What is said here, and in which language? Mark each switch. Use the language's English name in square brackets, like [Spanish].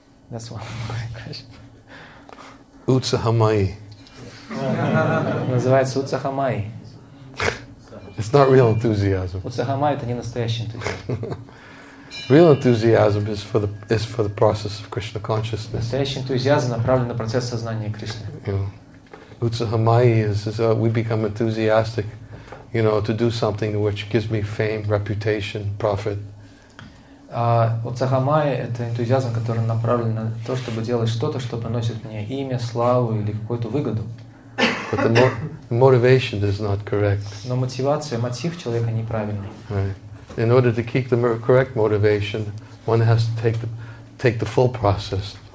[English] That's one of my questions. [Sanskrit] Utsahamai. [Russian] Называется Utsahamai. [English] It's not real enthusiasm. [Russian] Utsahamai – это не настоящий энтузиазм. [English] Real enthusiasm is for the process of Krishna consciousness. [Russian] Настоящий энтузиазм направлен на процесс сознания Кришны. [English] Utsahamai is we become enthusiastic, you know, to do something which gives me fame, reputation, profit. [Russian] Utsahamai – это энтузиазм, который направлен на то, чтобы делать что-то, что приносит мне имя, славу или какую-то выгоду. [English] But the motivation is not correct. [Russian] Но мотивация, мотив человека неправильный. [English] Right. In order to keep the correct motivation, one has to take the full process.